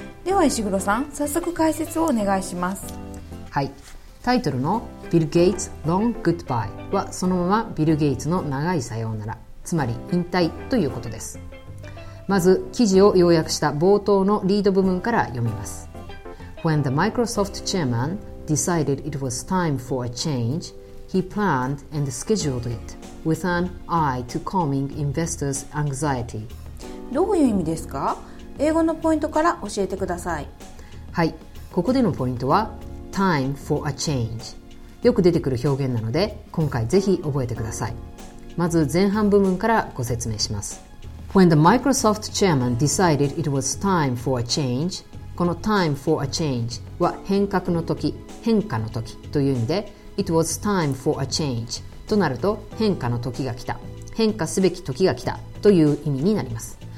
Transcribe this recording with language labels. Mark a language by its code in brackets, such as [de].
[ja] では石黒さん、早速解説をお願いします。はい、タイトルの [en] Bill Gates Long Goodbye [ja] はそのままビル・ゲイツの長いさようなら、つまり引退ということです。まず記事を要約した冒頭のリード部分から読みます。 [en] When the Microsoft chairman decided it was time for a change, he planned and scheduled it with an eye to calming investors' anxiety。 [ja] どういう意味ですか？英語のポイントから教えてください。はい、ここでのポイントは [en] Time for a change、 [ja] よく出てくる表現なので今回ぜひ覚えてください。まず前半部分からご説明します。 [en] When the Microsoft chairman decided it was time for a change、 [ja] この Time for a change は変革の時、変化の時という意味で、 [en] It was time for a change [ja] となると変化の時が来た、変化すべき時が来たという意味になります。